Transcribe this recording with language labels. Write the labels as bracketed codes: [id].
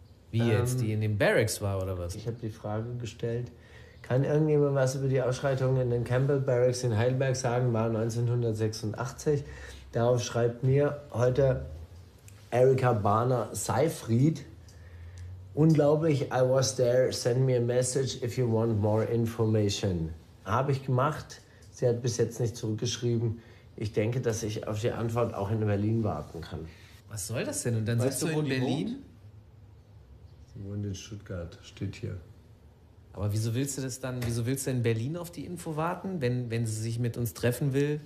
[de] Wie jetzt, die in den Barracks war oder was? Ich habe die Frage gestellt, kann irgendjemand was über die Ausschreitungen in den Campbell Barracks in Heidelberg sagen, war 1986. Darauf schreibt mir heute Erika Barner Seyfried. Unglaublich, [en] I was there, send me a message if you want more information. [de] Habe ich gemacht, sie hat bis jetzt nicht zurückgeschrieben. Ich denke, dass ich auf die Antwort auch in Berlin warten kann. Was soll das denn? Und dann sitzt du in Berlin? Sie wohnt in Stuttgart, steht hier. Aber wieso willst du das dann, wieso willst du in Berlin auf die Info warten, wenn sie sich mit uns treffen will?